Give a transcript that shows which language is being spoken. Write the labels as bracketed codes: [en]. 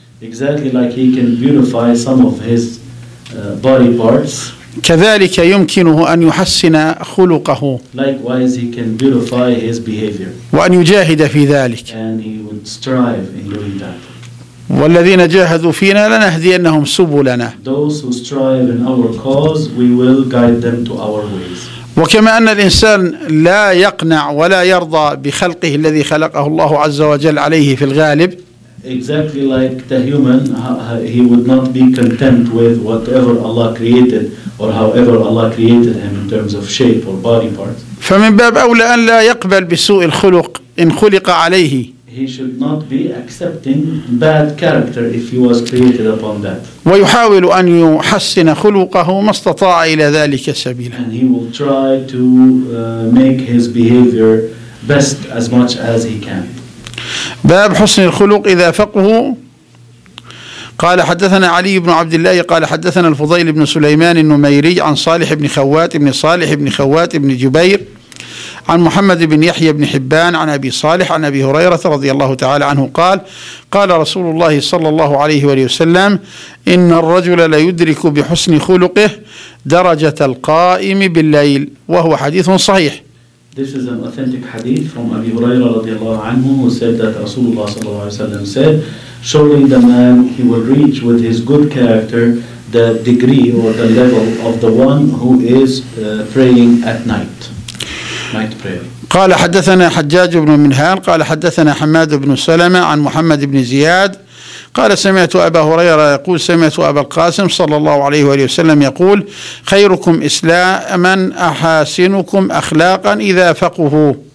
[en] Exactly like he can beautify some of his body parts. [ar] كذلك يمكنه أن يحسن خلقه. [en] Likewise, he can beautify his behavior. [ar] وأن يجاهد في ذلك. [en] And he would strive in doing that. [ar] والذين جاهدوا فينا لنهدينهم سبلنا. [en] Those who strive in our cause, we will guide them to our ways. [ar] وكما أن الإنسان لا يقنع ولا يرضى بخلقه الذي خلقه الله عز وجل عليه في الغالب. [en] Exactly like the human, he would not be content with whatever Allah created or however Allah created him in terms of shape or body parts. [ar] فمن باب أولى أن لا يقبل بسوء الخلق إن خلق عليه. [en] He should not be accepting bad character if he was created upon that. [ar] ويحاول أن يحسن خلقه ما استطاع إلى ذلك سبيلا. [en] And he will try to make his behavior best as much as he can. [ar] باب حسن الخلق إذا فقه. قال حدثنا علي بن عبد الله قال حدثنا الفضيل بن سليمان النميري عن صالح بن خوات بن صالح بن خوات بن جبير عن محمد بن يحيى بن حبان عن أبي صالح عن أبي هريرة رضي الله تعالى عنه قال قال رسول الله صلى الله عليه وسلم إن الرجل لا يدرك بحسن خلقه درجة القائم بالليل وهو حديث صحيح. [en] This is an authentic hadith from Abi Huraira radiallahu anhu, who said that Rasulullah sallallahu alayhi wa sallam said, surely the man, he will reach with his good character the degree or the level of the one who is praying at night, night prayer. [ar] قال حدثنا حجاج بن منهان قال حدثنا حماد بن سلمة عن محمد بن زياد قال سمعت أبا هريرة يقول سمعت أبا القاسم صلى الله عليه وسلم يقول خيركم إسلاما أحاسنكم أخلاقا إذا فقهوا.